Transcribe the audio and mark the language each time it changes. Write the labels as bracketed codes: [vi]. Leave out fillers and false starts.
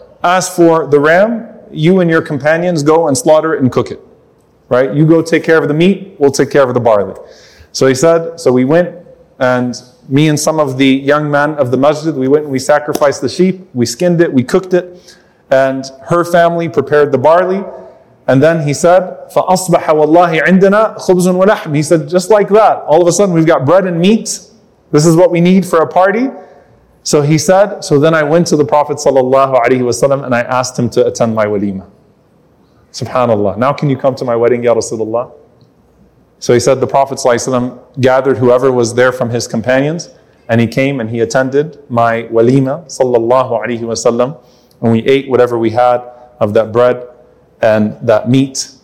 [en] As for the ram, you and your companions go and slaughter it and cook it. Right? You go take care of the meat, we'll take care of the barley. So he said, so we went, and me and some of the young men of the masjid, we went and we sacrificed the sheep, we skinned it, we cooked it, and her family prepared the barley. And then he said, [ar] فَأَصْبَحَ وَاللَّهِ عِنْدَنَا خُبْزٌ وَلَحْمٌ. [en] He said, just like that, all of a sudden we've got bread and meat. This is what we need for a party. So he said, so then I went to the Prophet sallallahu alaihi wasallam and I asked him to attend my walima. Subhanallah. Now can you come to my wedding, Ya Rasulullah? So he said, the Prophet sallallahu alaihi wasallam gathered whoever was there from his companions, and he came and he attended my walima sallallahu alaihi wasallam, and we ate whatever we had of that bread and that meat.